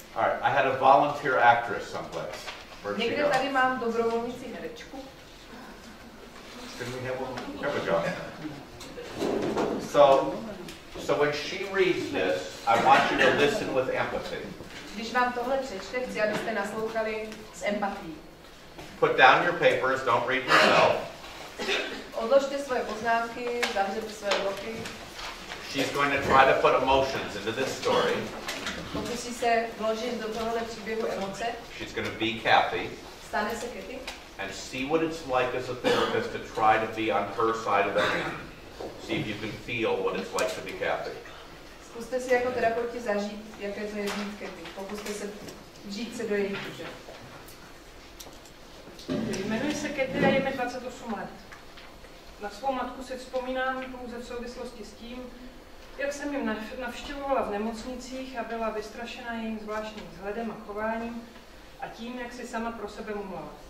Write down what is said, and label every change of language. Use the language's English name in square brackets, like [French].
[English] All right, I had a volunteer actress someplace. Where'd [Czech] někde [English] she go? [Czech] Tady mám dobrovolnici herečku. [English] Can we have one? Here we go. So when she reads this, I want you to listen with empathy. [Czech] Když vám tohle přečte, chci, abyste naslouchali s empatií. [English] Put down your papers, don't read yourself. [Czech] Odložte svoje poznámky, zavřete své boky. [English] She's going to try to put emotions into this story. [Czech] Pokusí se vložit do tohohle příběhu emoce. [English] She's going to be Kathy. [Czech] Stane se Kathy. [English] And see what it's like as a therapist to try to be on her side of the hand. See if you can feel what it's like to be Kathy. [Czech] Zkuste si jako terapeuti zažít, jaké to je být Kathy. Pokuste se vžít se do jejich duše. Jmenuji se Kathy a je mi 28 let. Na svou matku si vzpomínám pouze v souvislosti s tím, jak jsem jim navštěvovala v nemocnicích a byla vystrašena jejím zvláštním vzhledem a chováním a tím, jak si sama pro sebe mumlala.